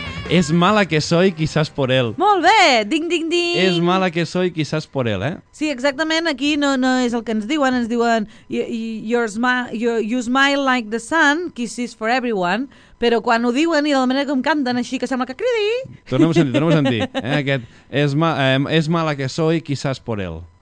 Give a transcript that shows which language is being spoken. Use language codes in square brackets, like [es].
[es] Es mala que soy, quizás por él. [ca] Molt bé, ding, ding, ding. [es] Es mala que soy, quizás por él, eh? [ca] Sí, exactament, aquí no és el que ens diuen [en] you smile like the sun, kisses for everyone, [ca] però quan ho diuen i de la manera com canten així que sembla que cridi... Tornem a sentir, eh? [es] Aquest, es mala que soy, quizás por él.